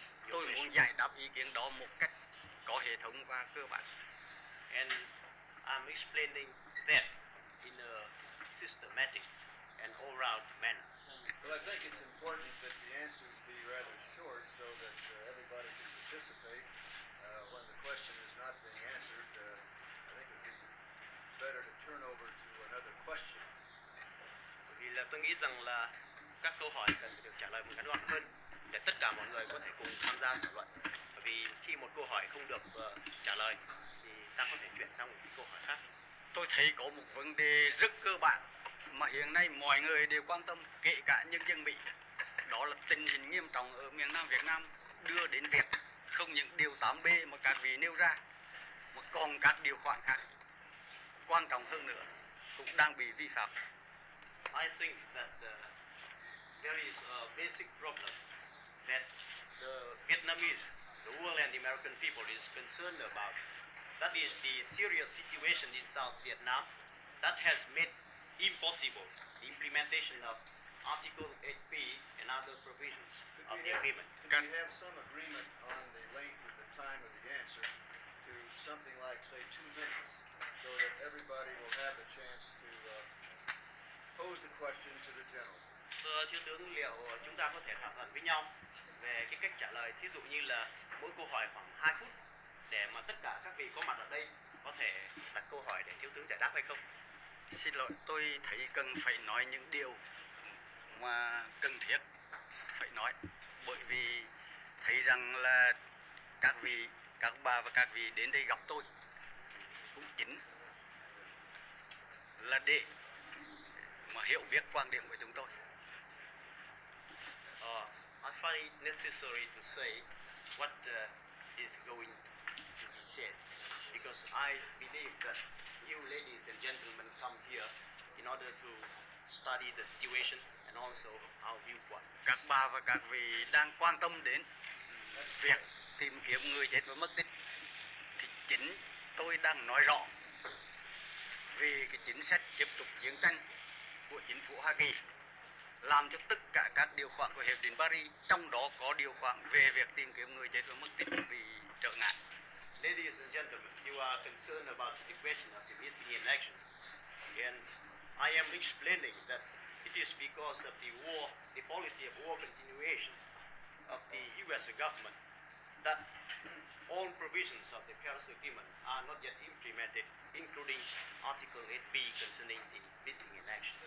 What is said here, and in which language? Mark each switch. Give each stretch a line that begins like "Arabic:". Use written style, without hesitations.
Vietnamese: Tôi muốn giải đáp ý kiến đó một cách có hệ thống và cơ bản.
English: And I'm explaining that in a systematic and all-round manner. Well, I think it's important that the answers be rather short so that everybody can participate when the question is not being answered. I think it would be better to turn over to another question.
Vietnamese: Vì là tôi nghĩ rằng là các câu hỏi cần được trả lời một cách ngắn gọn hơn để tất cả mọi người có thể cùng tham gia thảo luận. Bởi vì khi một câu hỏi không được trả lời thì ta có thể chuyển sang một câu hỏi khác. Tôi thấy có một vấn đề rất cơ bản mà hiện nay mọi người đều quan tâm, kể cả nhân dân Mỹ. Đó là tình hình nghiêm trọng ở miền Nam Việt Nam đưa đến việc không những điều 8B mà các vị nêu ra mà còn các điều khoản khác quan trọng hơn nữa cũng đang bị vi phạm.
English: I think that there is a basic problem that the Vietnamese, the world and the American people is concerned about. That is the serious situation in South Vietnam that has made impossible the implementation of Article 8B and other provisions could of the agreement. Can we have some agreement on the length of the time of the answer to something like, say, 2 minutes, so that everybody will have a chance to pose a question to the general?
Vietnamese: Thưa tướng, liệu chúng ta có thể thỏa thuận với nhau về cái cách trả lời, thí dụ như là mỗi câu hỏi khoảng 2 phút để mà tất cả các vị có mặt ở đây có thể đặt câu hỏi để thiếu tướng giải đáp hay không? Xin lỗi, tôi thấy cần phải nói những điều mà cần thiết phải nói, bởi vì thấy rằng là các vị, các bà và các vị đến đây gặp tôi cũng chính là để mà hiểu biết quan điểm của chúng tôi.
English: I find it necessary to say what is going to be said, because I believe that you ladies and gentlemen come here in order to study the situation and also our viewpoint.
Vietnamese: Các bà và các vị đang quan tâm đến việc tìm kiếm người chết và mất tích, thì chính tôi đang nói rõ vì cái chính sách tiếp tục chiến tranh của chính phủ Hoa Kỳ làm cho tất cả các điều khoản của Hiệp định Paris, trong đó có điều khoản về việc tìm kiếm người chết và mất tích bị trở ngại.
English: Ladies and gentlemen, you are concerned about the question of the missing in action. And I am explaining that it is because of the war, the policy of war continuation of the US government, that all provisions of the Paris Agreement are not yet implemented, including Article 8B concerning the missing in action.